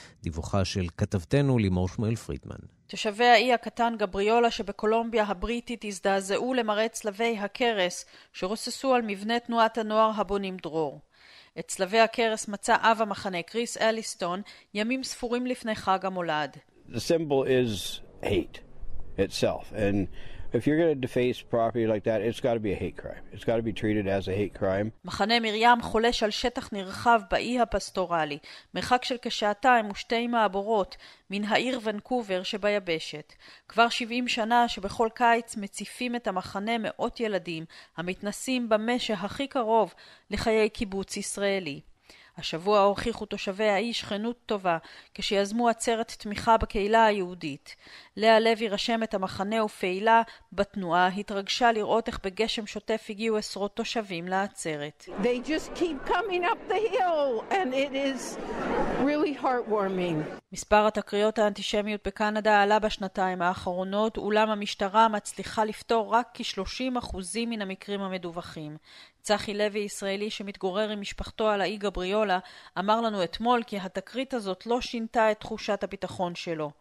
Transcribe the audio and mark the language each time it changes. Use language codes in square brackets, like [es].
[he] דיווחה של כתבתנו לימור שמואל פרידמן. תושבי האי הקטן גבריולה שבקולומביה הבריטית הזדעזעו למראה צלבי הקרס שרוססו על מבנה תנועת הנוער הבונים דרור. את צלבי הקרס מצא אב המחנה, קריס אליסטון, ימים ספורים לפני חג המולד. [en] The symbol is hate itself, and If you're going to deface property like that, it's got to be a hate crime. It's got to be treated as a hate crime. [he] מחנה מרים חולש על שטח נרחב באי הפסטורלי, מרחק של כשעתיים ושתי מעבורות מן העיר ונקובר שביבשת. כבר 70 שנה שבכל קיץ מציפים את המחנה מאות ילדים המתנסים במשך הכי קרוב לחיי קיבוץ ישראלי. השבוע הוכיחו תושבי האי שכנות טובה כשיזמו עצרת תמיכה בקהילה היהודית. לאה לוי רשמת המחנה ופעילה בתנועה התרגשה לראות איך בגשם שוטף הגיעו עשרות תושבים לעצרת. [en] They just keep coming up the hill and it is really heartwarming. [he] מספר התקריות האנטישמיות בקנדה עלה בשנתיים האחרונות, אולם המשטרה מצליחה לפתור רק כ-30% מן המקרים המדווחים. צחי לוי ישראלי שמתגורר עם משפחתו על האי גבריולה אמר לנו אתמול כי התקרית הזאת לא שינתה את תחושת הביטחון שלו.